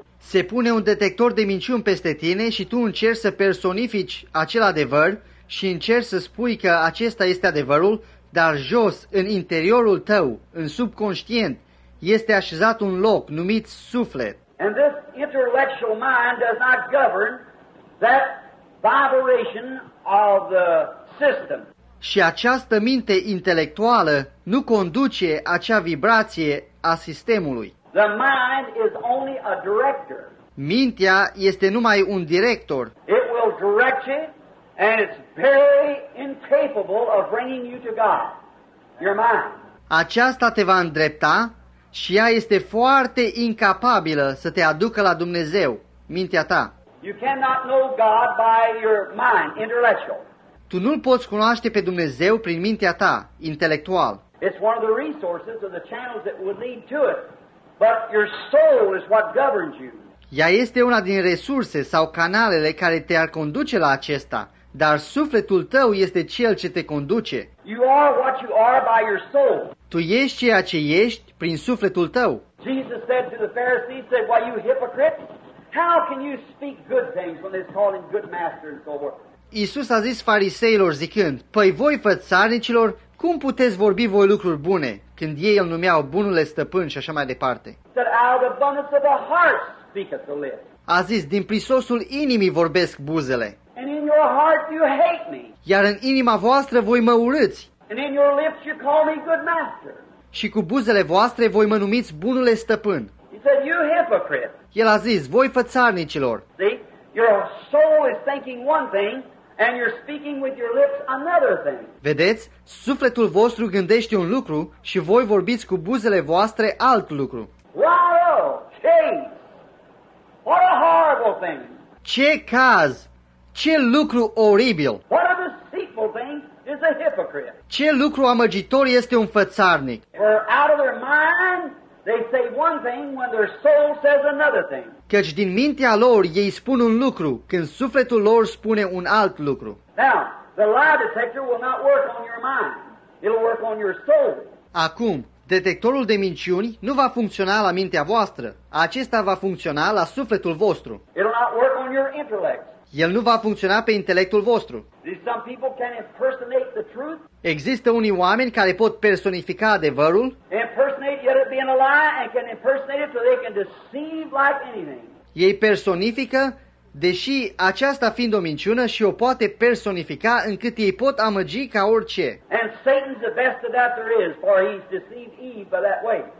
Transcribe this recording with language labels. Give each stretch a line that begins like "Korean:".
Romanian: Se pune un detector de minciuni peste tine și tu încerci să personifici acel adevăr și încerci să spui că acesta este adevărul. Dar jos, în interiorul tău, în subconștient, este așezat un loc numit suflet.
English: And this intellectual mind does not govern that vibration of the system.
Romanian: Și această minte intelectuală nu conduce acea vibrație a sistemului.
English: The mind is only a director.
Romanian: Mintea este numai un director.
English: It will direct you. And it's very incapable of bringing you to God. Your mind.
Romanian: Aceasta te va îndrepta și ea este foarte incapabilă să te aducă la Dumnezeu, mintea ta.
English: You cannot know God by your mind, intellectual.
Romanian: Tu nu-l poți cunoaște pe Dumnezeu prin mintea ta, intelectual.
English: It's one of the resources or the channels that would lead to it. But your soul is what governs you.
Romanian: Ea este una din resurse sau canalele care te-ar conduce la acesta. Dar sufletul tău este cel ce te conduce.
English: You are what you are by your soul.
Romanian: Tu ești ceea ce ești prin sufletul tău.
English: Jesus said to the Pharisees, said, "Why you hypocrites? How can you speak good things when they're calling good master and so forth?"
Romanian: Iisus a zis fariseilor zicând, "Păi voi fățarnicilor, cum puteți vorbi voi lucruri bune când ei îl numeau bunule stăpân și așa mai departe?"
English: Said, "Out of abundance of the heart speaketh the lips."
Romanian: A zis, "Din prisosul inimii vorbesc buzele."
English: And in your heart you hate me.
Romanian: Iar în inima voastră voi mă urâți.
English: And in your lips you call me good master.
Romanian: Și cu buzele voastre voi mă numiți bunule stăpân.
English: He said, you hypocrite.
Romanian: El a zis, voi fățarnicilor.
English: See, your soul is thinking one thing And you're speaking with your lips another thing.
Romanian: Vedeți, sufletul vostru gândește un lucru și voi vorbiți cu buzele voastre alt lucru.
English: Wow, change. What a horrible thing.
Romanian: Ce caz! Ce lucru oribil!
English: What a deceitful thing is a hypocrite.
Romanian: Ce lucru amăgitor este un fățarnic!
English: We're out of their mind. They say one thing when their soul says another thing.
Romanian: Căci din mintea lor ei spun un lucru, când sufletul lor spune un alt lucru.
English: Now, the lie detector will not work on your mind. It'll work on your soul.
Romanian: Acum, detectorul de minciuni nu va funcționa la mintea voastră. Acesta va funcționa la sufletul vostru.
English: It'll not work on your intellect.
Romanian: El nu va funcționa pe intelectul vostru.
English: Some people can impersonate the truth.
Romanian: Există unii oameni care pot personifica adevărul.
English: Impersonate yet it being a lie and can impersonate it so they can deceive like anything.
Romanian: Ei personifică, deși aceasta fiind o minciună și o poate personifica încât ei pot amăgi ca orice.
English: And Satan's the best of that there is, for he's deceived Eve by that way.